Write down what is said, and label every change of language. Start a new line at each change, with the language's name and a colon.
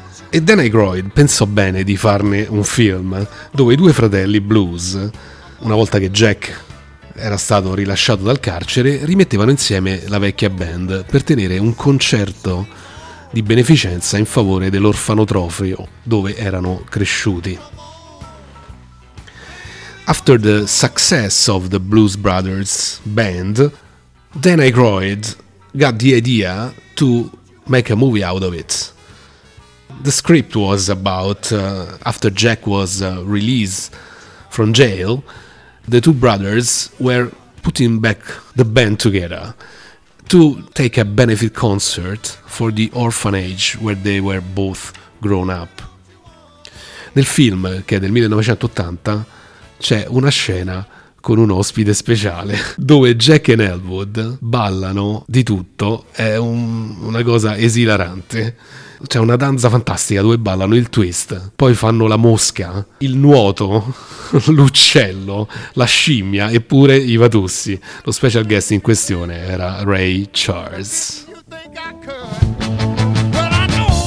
Italian: E Dan Aykroyd pensò bene di farne un film dove i due fratelli blues, una volta che Jack era stato rilasciato dal carcere, rimettevano insieme la vecchia band per tenere un concerto di beneficenza in favore dell'orfanotrofio dove erano cresciuti.
English: After the success of the Blues Brothers band, Dan Aykroyd got the idea to make a movie out of it. The script was about after Jack was released from jail, the two brothers were putting back the band together to take a benefit concert for the orphanage where they were both grown up.
Italian: Nel film, che è del 1980, c'è una scena con un ospite speciale dove Jack and Elwood ballano di tutto, è una cosa esilarante. C'è una danza fantastica dove ballano il twist, poi fanno la mosca, il nuoto, l'uccello, la scimmia e pure i vatussi. Lo special guest in questione era Ray Charles.
English: You think I could? Well, I know.